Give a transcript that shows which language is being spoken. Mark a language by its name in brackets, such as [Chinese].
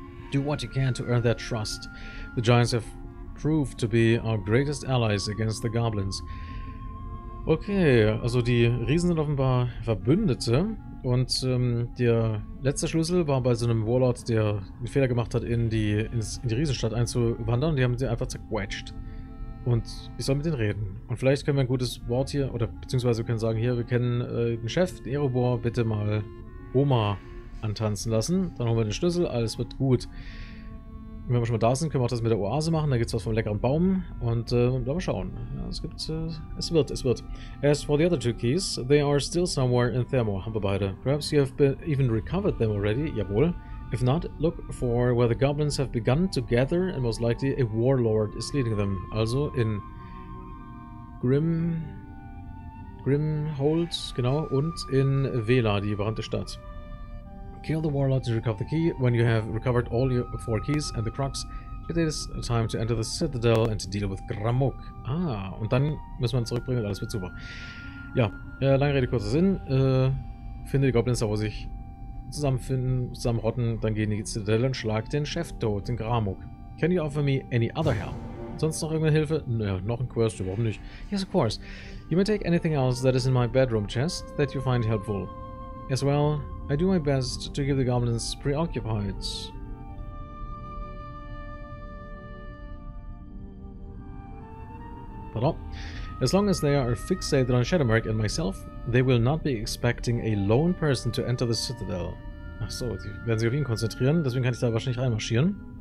[English] Do what you can to earn their trust. The Giants have proved to be our greatest allies against the Goblins. [German] Okay, also die Riesen sind offenbar Verbündete und der letzte Schlüssel war bei so einem Warlord, der einen Fehler gemacht hat, in die Riesenstadt einzuwandern und die haben sie einfach zerquetscht. Und ich soll mit denen reden. Und vielleicht können wir ein gutes Wort hier, oder beziehungsweise wir können sagen, hier, wir kennen den Chef, den Erebor, bitte mal Oma antanzen lassen. Dann holen wir den Schlüssel, alles wird gut. Und wenn wir schon mal da sind, können wir auch das mit der Oase machen, da gibt es was vom leckeren Baum. Und dann mal schauen. Ja, es wird. [English] As for the other two keys, they are still somewhere in Thermor, [German] haben wir beide. [English] Perhaps you have even recovered them already, jawohl. If not, look for where the goblins have begun to gather and most likely a warlord is leading them. [German] Also in Grimhold, genau, und in Vela, die überrannte Stadt. [English] Kill the warlord to recover the key. When you have recovered all your 4 keys and the crux, it is time to enter the citadel and to deal with Gramok. [German] Ah, und dann müssen wir ihn zurückbringen und alles wird super. Ja, lange Rede, kurzer Sinn. Finde die Goblins da, wo sich zusammenfinden, zusammenrotten, dann gehen die Zitadelle und schlag den Chef tot, den Gramok. [English] Can you offer me any other help? [German] Sonst noch irgendeine Hilfe? Naja, noch ein Quest, warum nicht? [English] Yes, of course. You may take anything else that is in my bedroom chest that you find helpful. As well, I do my best to give the goblins preoccupied. Pardon. As long as they are fixated on Shadowmark and myself, they will not be expecting a lone person to enter the Citadel. [German] Ach so, die werden sich auf ihn konzentrieren, deswegen kann ich da wahrscheinlich reinmarschieren.